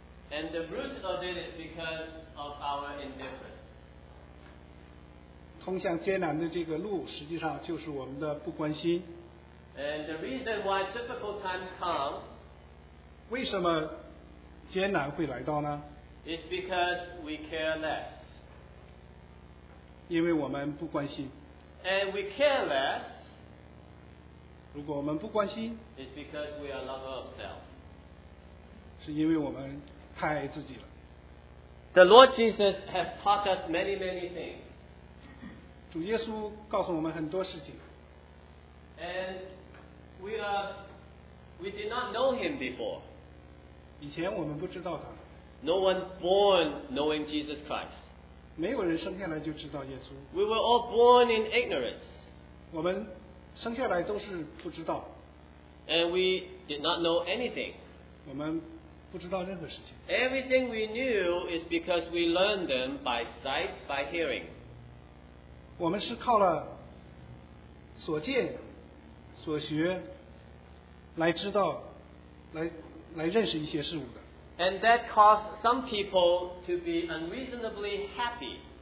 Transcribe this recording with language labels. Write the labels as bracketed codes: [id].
[en] And the root of it is because of our indifference. [zh] 通向艰难的这个路实际上就是我们的不关心 [en] And the reason why difficult times come [zh] 为什么艰难会来到呢 [en] It's because we care less. [zh] 因为我们不关心。 [en] And we care less. [zh] 如果我们不关心。 [en] It's because we are lover of self. [zh] 是因为我们太爱自己了。 [en] The Lord Jesus has taught us many, many things. [zh] 主耶稣告诉我们很多事情。 [en] And we did not know him before. [zh] 以前我们不知道他。 [en] No one born knowing Jesus Christ. [zh] 没有人生下来就知道耶稣。 [en] We were all born in ignorance. [zh] 我们生下来都是不知道。 [en] And we did not know anything. [zh] 我们不知道任何事情。 [en] Everything we knew is because we learned them by sight, by hearing. [zh] 我们是靠了所见、所学来知道、来认识一些事物的。 [en] And that caused some people to be unreasonably happy.